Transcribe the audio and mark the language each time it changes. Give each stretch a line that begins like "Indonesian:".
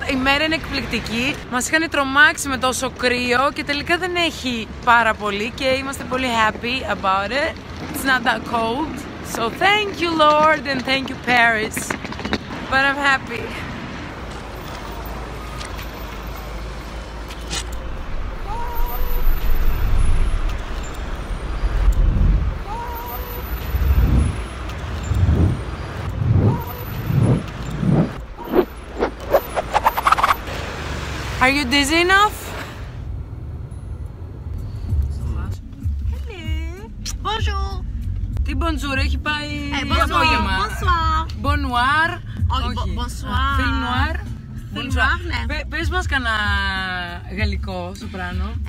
Greek: Η μέρα είναι εκπληκτική. Μας είχαν τρομάξει με τόσο κρύο και τελικά δεν έχει πάρα πολύ και είμαστε πολύ
English: happy about it. It's not that cold. So thank you Lord and thank you Paris. But I'm happy. Are you dizzy enough? Hello. Bonjour.
Greek: Τι bonjour, έχει πάει απόγευμα. Bonsoir.
French: Bonsoir.
Greek: Όχι, bonsoir.
French: Film noir.
Greek: Film noir, ναι. Πες μας κανένα γαλλικό σοπράνο.